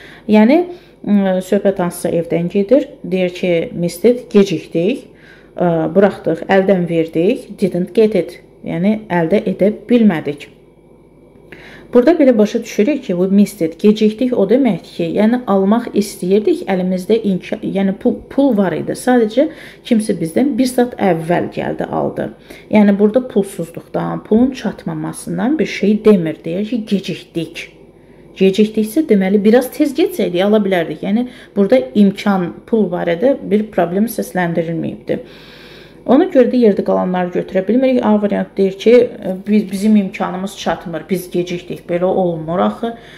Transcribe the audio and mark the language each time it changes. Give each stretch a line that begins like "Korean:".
Azerbaijani: Yəni, söhbət hansısa evdən gedir. Deyir ki,
English: missed it,
Azerbaijani: gecikdik, bıraxdıq, əldən verdik,
English: didn't get it.
Azerbaijani: Yəni, əldə edə bilmədik. Burada belə başa düşürük ki,
English: we missed it,
Azerbaijani: gecikdik o deməkdir ki, yəni almaq istəyirdik, əlimizdə yəni pul var idi. Sadəcə kimsə bizdən bir saat əvvəl gəldi, aldı. Yəni burada pulsuzluqdan, pulun çatmamasından bir şey demir, deyir ki, gecikdik. Gecikdiksə deməli, biraz tez getsəydik, ala bilərdik. Yəni burada imkan, pul barədə bir problem səsləndirilməyibdir. Ona görə də yerdə qalanları götürə bilmirik. A variant deyir ki, bizim imkanımız çatmır, biz gecikdik, belə olmur axı.